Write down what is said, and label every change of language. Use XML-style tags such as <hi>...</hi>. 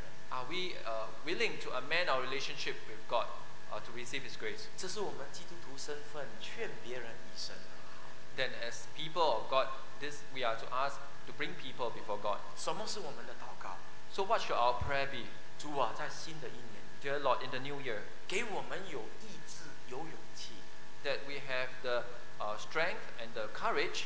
<en>Are we willing to amend our relationship with God to receive His grace?</en> <zh>这是我们基督徒身份，劝别人以身和好。</zh> <en>Then, as people of God, this we are to ask to bring people before God.</en> <zh>什么是我们的祷告？</zh> <en>So, what should our prayer be?</en> <zh>主啊，在新的一年，</zh> <en>Dear Lord, in the new year,</en> <zh>给我们有意志，有勇气，</zh> <en>that we have the strength and the courage</en>